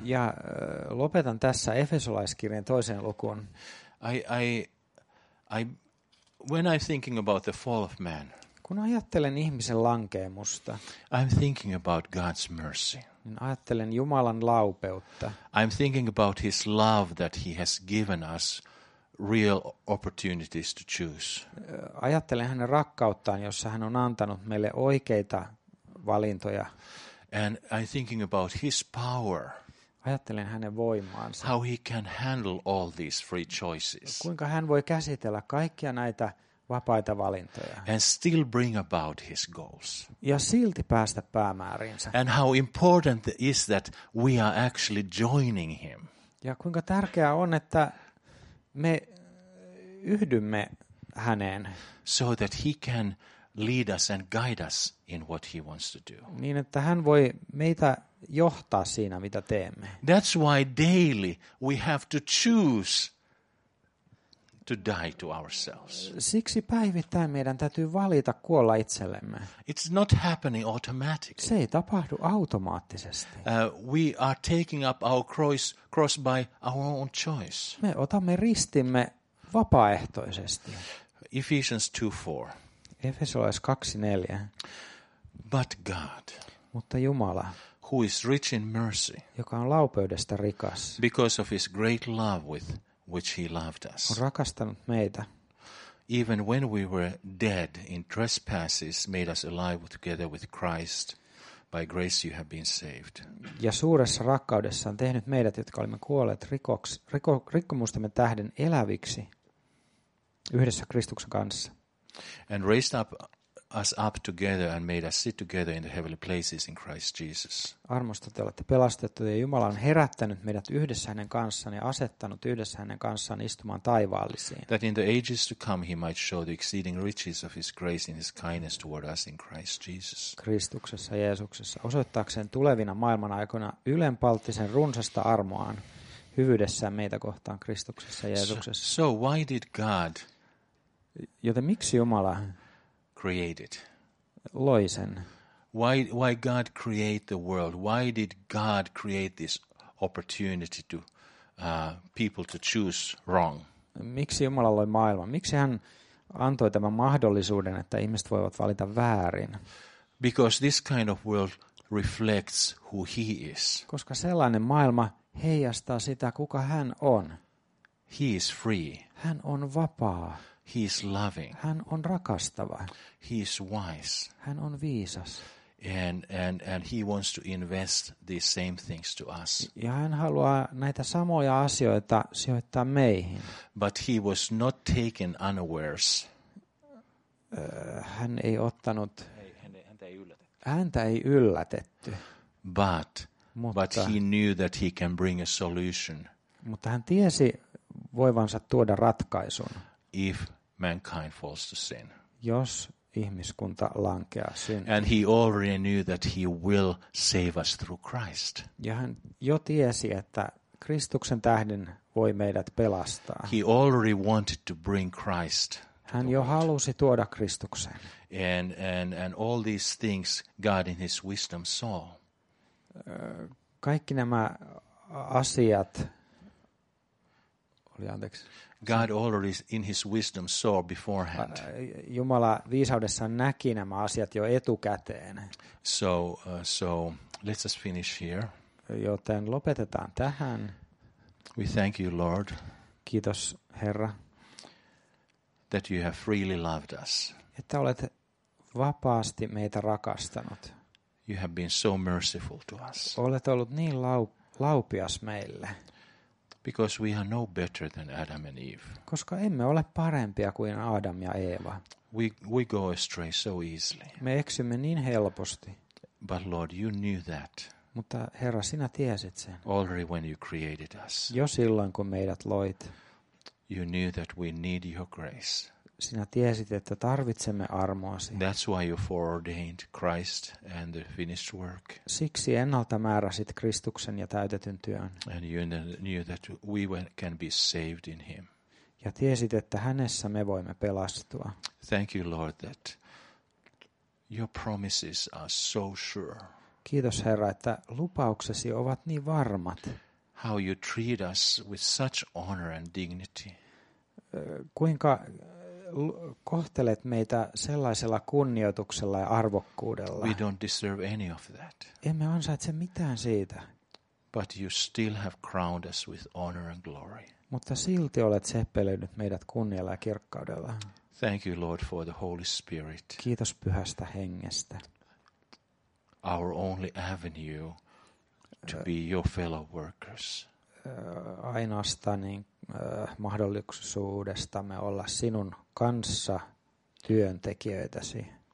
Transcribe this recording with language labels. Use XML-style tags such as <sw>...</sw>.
<fi>Ja lopetan tässä Efesolaiskirjan toiseen lukuun.</fi> <en>I when I'm thinking about the fall of man.</en> <fi>Kun ajattelen ihmisen lankeemusta.</fi> <en>I'm thinking about God's mercy.</en> <fi>Niin ajattelen Jumalan laupeutta.</fi> <en>I'm thinking about his love that he has given us real opportunities to choose.</en> <fi>Ajattelen hänen rakkauttaan, jossa hän on antanut meille oikeita valintoja.</fi> <en>And I'm thinking about his power.</en> <fi>Ajattelen hänen voimaansa.</fi> <en>How he can handle all these free choices.</en> <fi>Kuinka hän voi käsitellä kaikkia näitä vapaita valintoja.</fi> <en>And still bring about his goals.</en> <fi>Ja silti päästä päämääriinsä.</fi> <en>And how important is that we are actually joining him.</en> <fi>Ja kuinka tärkeää on, että me yhdymme häneen.</fi> <en>So that he can lead us and guide us in what he wants to do.</en> <fi>Niin, että hän voi meitä johtaa siinä, mitä teemme.</fi> <en>That's why daily we have to choose to die to ourselves.</en> <fi>Siksi päivittäin meidän täytyy valita kuolla itsellemme.</fi> <en>It's not happening automatically.</en> <fi>Se ei tapahdu automaattisesti.</fi> <en>We are taking up our cross by our own choice.</en> <fi>Me otamme ristimme vapaaehtoisesti.</fi> <en>Ephesians 2:4.</en> <fi>Efesolaiskirjeen 2:4.</fi> <en>But God.</en> <fi>Mutta Jumala.</fi> <en>Who is rich in mercy.</en> <fi>Joka on laupeudesta rikas.</fi> <en>Because of his great love with which he loved us.</en> <fi>On rakastanut meitä.</fi> <en>Even when we were dead in trespasses, made us alive together with Christ. By grace you have been saved.</en> <fi>Ja suuressa rakkaudessa on tehnyt meidät, jotka olimme kuolleet rikkomustamme tähden eläviksi yhdessä Kristuksen kanssa.</fi> <en>And raised up us up together and made us sit together in the heavenly places in Christ Jesus.</en> <fi>Armosta te olette pelastettu ja Jumala on herättänyt meidät yhdessä hänen kanssaan ja asettanut yhdessä hänen kanssaan istumaan taivaallisiin.</fi> <en>That in the ages to come he might show the exceeding riches of his grace in his kindness toward us in Christ Jesus.</en> <fi>Kristuksessa Jeesuksessa osoittaakseen tulevina maailman aikoina ylenpalttisen runsasta armoaan hyvyydessään meitä kohtaan Kristuksessa Jeesuksessa.</fi> <en>So why did God?</en> <fi>Joten miksi Jumala</fi> <en>created?</en> <fi>Loi sen.</fi> <en>Why God create the world? Why did God create this opportunity to people to choose wrong?</en> <fi>Miksi Jumala loi maailman? Miksi hän antoi tämän mahdollisuuden, että ihmiset voivat valita väärin?</fi> <en>Because this kind of world reflects who he is.</en> <fi>Koska sellainen maailma heijastaa sitä, kuka hän on.</fi> <en>He is free.</en> <fi>Hän on vapaa.</fi> <en>He is loving.</en> <fi>Hän on rakastava.</fi> <en>He is wise.</en> <fi>Hän on viisas.</fi> <en>And he wants to invest these same things to us.</en> <fi>Ja hän haluaa näitä samoja asioita sijoittaa meihin.</fi> <en>But he was not taken unawares.</en> <fi>Hän ei ottanut. Häntä ei yllätetty.</fi> <en>But he knew that he can bring a solution.</en> <fi>Mutta hän tiesi voivansa tuoda ratkaisun.</fi> <en>If mankind falls to sin.</en> <fi>Jos ihmiskunta lankeaa syntiin.</fi> <en>And he already knew that he will save us through Christ.</en> <fi>Ja hän jo tiesi, että Kristuksen tähden voi meidät pelastaa.</fi> <en>He already wanted to bring Christ.</en> <fi>Hän jo halusi tuoda Kristuksen.</fi> <en>And all these things God in his wisdom saw.</en> <fi>Kaikki nämä asiat oli anteeksi.</fi> <en>God already in his wisdom saw beforehand.</en> <fi>Jumala viisaudessaan näki nämä asiat jo etukäteen.</fi> <en>So let's just finish here.</en> <fi>Joten lopetetaan tähän.</fi> <en>We thank you, Lord.</en> <fi>Kiitos, Herra.</fi> <en>That you have freely loved us.</en> <fi>Että olet vapaasti meitä rakastanut.</fi> <en>You have been so merciful to us.</en> <fi>Olet ollut niin laupias meille.</fi> <en>Because we are no better than Adam and Eve.</en> <fi>Koska emme ole parempia kuin Adam ja Eeva.</fi> <en>We go astray so easily.</en> <fi>Me eksymme niin helposti.</fi> <en>But Lord, you knew that.</en> <fi>Mutta Herra, sinä tiesit sen.</fi> <en>Already when you created us.</en> <fi>Jo silloin kun meidät loit.</fi> <en>You knew that we need your grace.</en> <fi>Sinä tiesit, että tarvitsemme armoasi.</fi> <en>That's why you foreordained Christ and the finished work.</en> <fi>Siksi ennalta määräsit Kristuksen ja täytetyn työn.</fi> <en>And you knew that we can be saved in him.</en> <fi>Ja tiesit, että hänessä me voimme pelastua.</fi> <en>Thank you, Lord, that your promises are so sure.</en> <fi>Kiitos, Herra, että lupauksesi ovat niin varmat.</fi> <en>How you treat us with such honor and dignity.</en> <fi>Kuinka kohtelet meitä sellaisella kunnioituksella ja arvokkuudella.</fi> <en>We don't deserve any of that.</en> <fi>Emme ansaitse mitään siitä.</fi> <en>But you still have crowned us with honor and glory.</en> <fi>Mutta silti olet seppelöinyt meidät kunnialla ja kirkkaudella.</fi> <en>Thank you, Lord, for the Holy Spirit.</en> <fi>Kiitos Pyhästä Hengestä.</fi> <en>Our only avenue to be your fellow workers.</en> <fi>Ainoastaan niin, mahdollisuudestamme olla sinun kanssa työntekijöitäsi.</fi>